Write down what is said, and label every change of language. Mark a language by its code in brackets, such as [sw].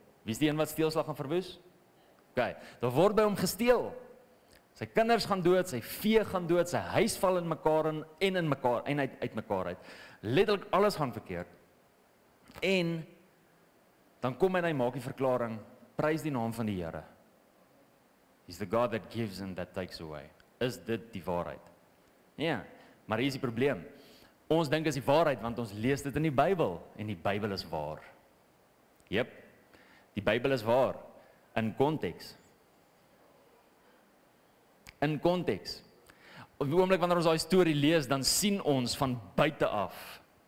[af] Wie is die een wat steelslag gaan verwoes? OK. Daar word by hom gesteel. Sy kinders gaan dood, sy vee gaan dood, sy huis val in mekaar en in mekaar en uit mekaar uit. Letterlik alles gaan verkeerd. En dan kom en hy maak die verklaring, prys die naam van die Here. [en] He's the God that gives and that takes away. [af] Is dit die waarheid? Ja, yeah. Maar hier is die probleem. Ons dink is die waarheid, want ons lees dit in die Bybel. En die Bybel is waar. Yep, die Bybel is waar. In konteks. In konteks. Op die oomblik wanneer ons daai storie lees, dan sien ons van buite af.